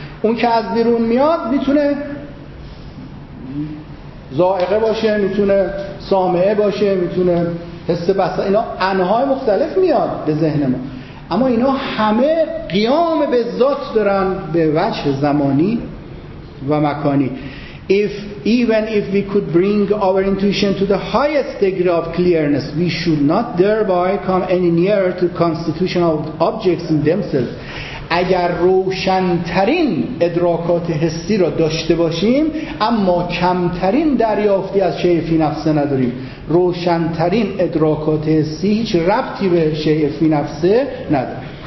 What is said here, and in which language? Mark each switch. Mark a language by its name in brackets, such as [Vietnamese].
[Persian] اون که از بیرون میاد میتونه زائقه باشه، میتونه سامعه باشه، میتونه حس بصر، اینا انهای مختلف میاد به ذهن ما، اما اینا همه قیام به ذات دارن به وجه زمانی و مکانی. [English] Even if we could bring our intuition to the highest degree of clearness, we should not thereby come any nearer to constitution of objects in themselves. [Persian] اگر روشن‌ترین ادراکات حسی را داشته باشیم اما کمترین دریافتی از شیء فی نفسه نداریم. روشن‌ترین ادراکات حسی هیچ ربطی به شیء فی نفسه نداره.